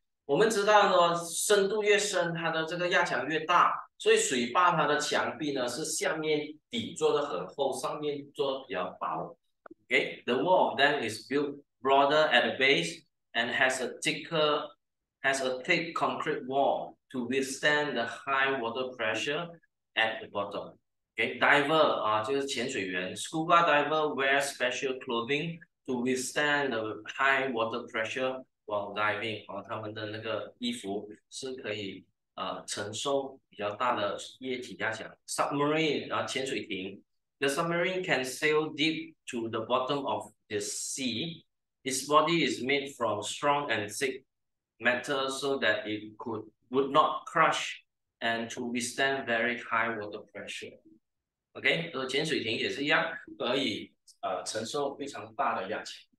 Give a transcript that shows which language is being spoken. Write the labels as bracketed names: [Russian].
[Chinese] 我们知道呢，深度越深，它的这个压强越大，所以水坝它的墙壁呢是下面底做的很厚，上面做的比较薄。 [English] Okay，the wall of dam is built broader at the base and has a thick concrete wall to withstand the high water pressure at the bottom. Okay, diver 啊， [Chinese] 就是潜水员， [English] scuba diver wear special clothing to withstand the high water pressure [Chinese] wall diving 哦，他们的那个衣服是可以承受比较大的液体压强。 Submarine 啊，潜水艇。 [English] The submarine can sail deep to the bottom of the sea. Its body is made from strong and thick metal so that it would not crush and to withstand very high water pressure. [Chinese] OK，潜水艇也是一样，可以承受非常大的压强。